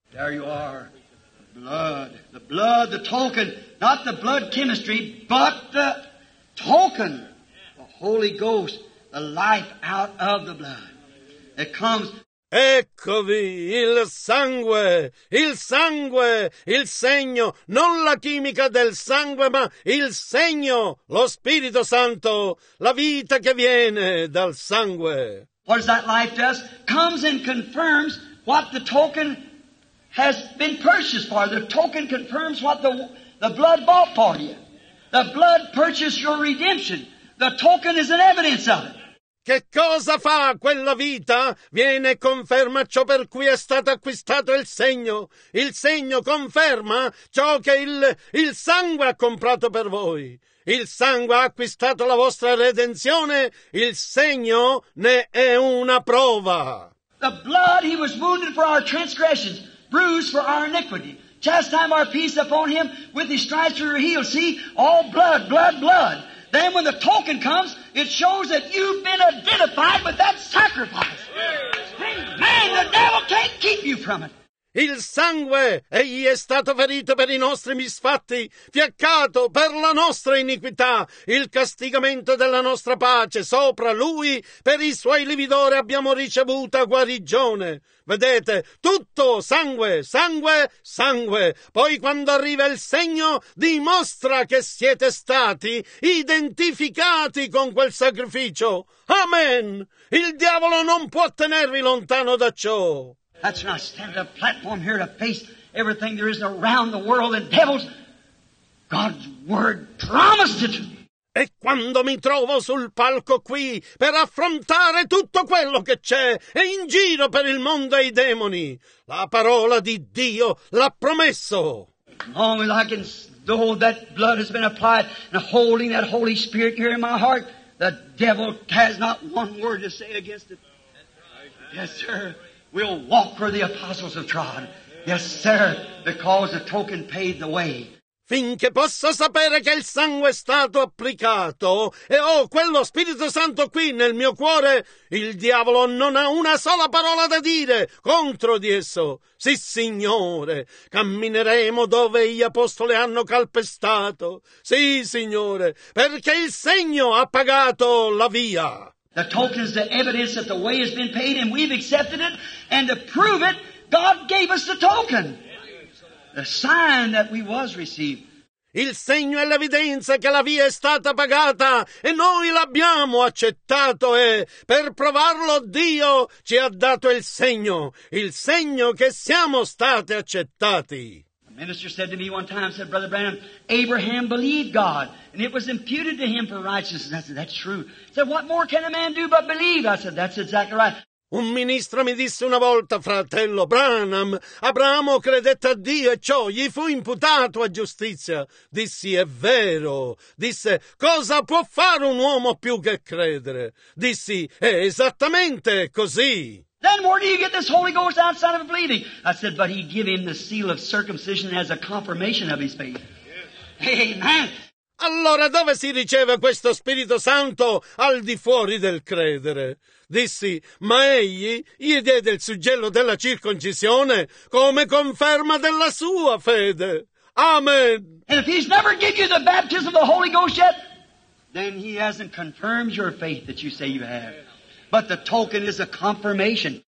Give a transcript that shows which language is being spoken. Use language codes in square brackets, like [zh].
[en] There you are. Blood, the token, not the blood chemistry, but the token, the Holy Ghost, the life out of the blood. It comes. [it] Eccovi il sangue, il segno, non la chimica del sangue, ma il segno, lo Spirito Santo, la vita che viene dal sangue. [en] What does that life does? Comes and confirms what the token has been purchased for. The token confirms what the blood bought for you. The blood purchased your redemption. The token is an evidence of it. [it] Che cosa fa quella vita? Viene e conferma ciò per cui è stato acquistato il segno. Il segno conferma ciò che il sangue ha comprato per voi. Il sangue ha acquistato la vostra redenzione. Il segno ne è una prova. [en] The blood, he was wounded for our transgressions. Bruised for our iniquity. Chastise our peace upon him with his stripes we were healed. See, all blood, blood, blood. Then when the token comes, it shows that you've been identified with that sacrifice. Amen. The devil can't keep you from it. [it] Il sangue, egli è stato ferito per i nostri misfatti, fiaccato per la nostra iniquità, il castigamento della nostra pace sopra lui, per i suoi lividori abbiamo ricevuto guarigione. Vedete, tutto sangue, sangue, sangue. Poi quando arriva il segno, dimostra che siete stati identificati con quel sacrificio. Amen! Il diavolo non può tenervi lontano da ciò. [en] That's when I stand on a platform here to face everything there is around the world and devils. God's word promised it. [it] E quando mi trovo sul palco qui per affrontare tutto quello che c'è e in giro per il mondo e i demoni, la parola di Dio l'ha promesso. [en] As long as I can, though that blood has been applied and holding that Holy Spirit here in my heart, the devil has not one word to say against it. Yes, sir. We'll walk where the apostles have trod. Yes, sir, because the token paved the way. [it] Finché posso sapere che il sangue è stato applicato e ho quello Spirito Santo qui nel mio cuore, il diavolo non ha una sola parola da dire contro di esso. Sì, Signore, cammineremo dove gli apostoli hanno calpestato. Sì, Signore, perché il segno ha pagato la via. [en] The token is the evidence that the way has been paid and we've accepted it. And to prove it, God gave us the token. The sign that we was received. [it] Il segno è l'evidenza che la via è stata pagata e noi l'abbiamo accettato e per provarlo Dio ci ha dato il segno che siamo stati accettati. [en] A minister said to me one time, said, Brother Branham, Abraham believed God. And it was imputed to him for righteousness. I said, that's true. He said, what more can a man do but believe? I said, that's exactly right. [it] Un ministro mi disse una volta, fratello Branham, Abramo credette a Dio e ciò gli fu imputato a giustizia. Dissi, è vero. Disse, cosa può fare un uomo più che credere? Dissi, è esattamente così. [en] Then where do you get this Holy Ghost outside of believing? I said, but he gave him the seal of circumcision as a confirmation of his faith. Yes. Amen. [it] Allora dove si riceve questo Spirito Santo al di fuori del credere? Dissi, ma egli gli diede il suggello della circoncisione come conferma della sua fede. Amen. [en] And if he's never given you the baptism of the Holy Ghost yet, then he hasn't confirmed your faith that you say you have. But the token is a confirmation.